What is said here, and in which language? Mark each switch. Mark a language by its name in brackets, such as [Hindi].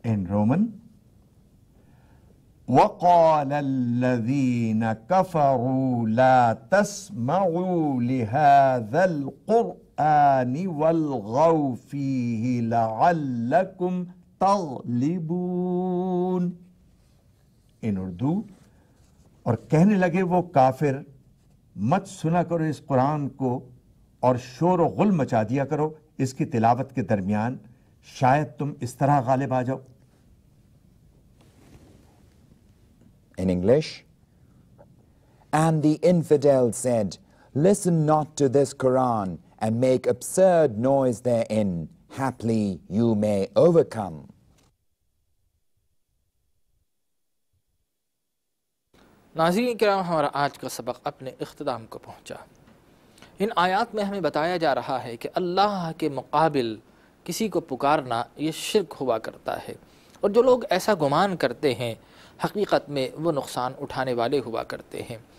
[English] In Roman, [Arabic] وَقَالَ الَّذِينَ كَفَرُوا لَا تَسْمَعُوا لِهَذَا الْقُرْآنِ وَالْغَوْا فِيهِ لَعَلَّكُمْ تَغْلِبُونَ. [English] in Urdu, [Urdu] اور کہنے لگے وہ کافر, مت سنا کرو اس قرآن کو اور شور و غل مچا دیا کرو اس کی تلاوت کے درمیان, شاید تم اس طرح غالب آ جاؤ. [English] In English, and the infidel said, listen not to this Quran and make absurd noise therein, haply you may overcome. [Urdu] ناظرین کرام, ہمارا آج کا سبق اپنے اختتام کو پہنچا. ان آیات میں ہمیں بتایا جا رہا ہے کہ اللہ کے مقابل کسی کو پکارنا یہ شرک ہوا کرتا ہے, اور جو لوگ ایسا گمان کرتے ہیں حقیقت میں وہ نقصان اٹھانے والے ہوا کرتے ہیں.